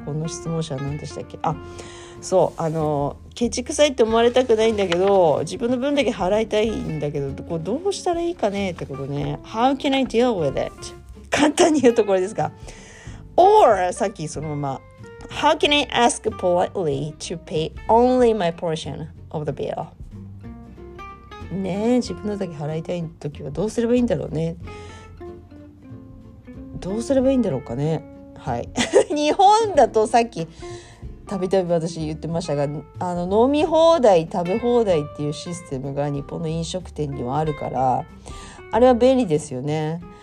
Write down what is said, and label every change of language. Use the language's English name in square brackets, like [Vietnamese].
[Japanese] この質問者は何でしたっけ。あ、そう、ケチくさいって思われたくないんだけど、自分の分だけ払いたいんだけど、こうどうしたらいいかねってことね。 [English] How can I deal with it? [Japanese] 簡単に言うとこれですか。 [English] Or [Japanese] さっきそのまま、 [English] How can I ask politely to pay only my portion of the bill? [Japanese] ねえ、自分のだけ払いたいときはどうすればいいんだろうね。どうすればいいんだろうかね。はい。日本だとさっきたびたび私言ってましたが、飲み放題、食べ放題っていうシステムが日本の飲食店にはあるから、あれは便利ですよね。